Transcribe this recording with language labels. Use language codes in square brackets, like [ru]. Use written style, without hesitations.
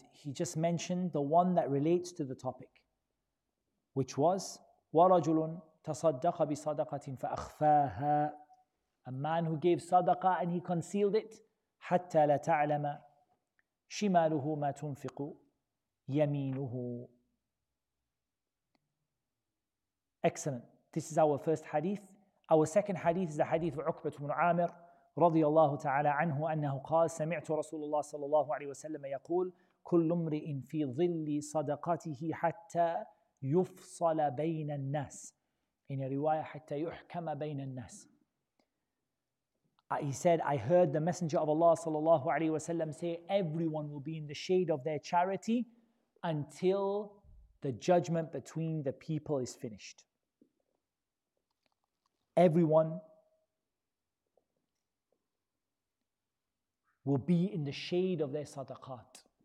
[en] He just mentioned the one that relates to the topic, which was [ar] وَرَجُلٌ تَصَدَّقَ بِصَدَقَةٍ فَأَخْفَاهَا. [en] A man who gave sadaqah and he concealed it. [ar] حَتَّى لَتَعْلَمَ شِمَالُهُ مَا تُنْفِقُ يَمِينُهُ. [en] Excellent. This is our first hadith. Our second hadith is the hadith of Uqbah ibn Amir [ar] رضي الله تعالى عنه أنه قال سمعت رسول الله صلى الله عليه وسلم يقول كل امرئ في ظل صدقته حتى يفصل بين الناس. [en] In a riwayah, [ar] حتى يحكم بين الناس. [en] He said, I heard the Messenger of Allah [ar] صلى الله عليه وسلم [en] say, everyone will be in the shade of their charity until the judgment between the people is finished. Everyone will be in the shade of their sadaqat.